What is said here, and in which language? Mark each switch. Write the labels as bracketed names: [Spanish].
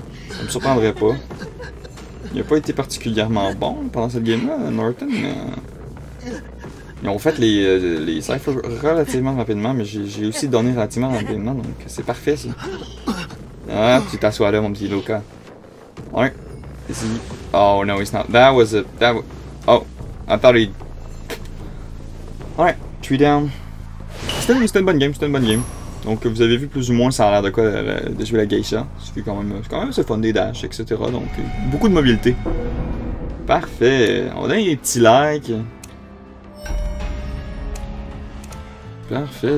[French] Ça me surprendrait pas. Il a pas été particulièrement bon pendant cette game-là, Norton, mais... Ils ont fait les ciphers relativement rapidement, mais j'ai aussi donné relativement rapidement, donc c'est parfait, ça. Ah, tu t'assois là, mon petit Luca. [English] Alright. Is he... Oh, no, he's not. That was a... That was... Oh, I thought he... Alright. Three down. [French] C'était une bonne game. Donc vous avez vu plus ou moins ça a l'air de quoi de jouer la Geisha. C'est quand même assez fun des dash, etc. Donc beaucoup de mobilité. Parfait. On a des petits likes. Parfait.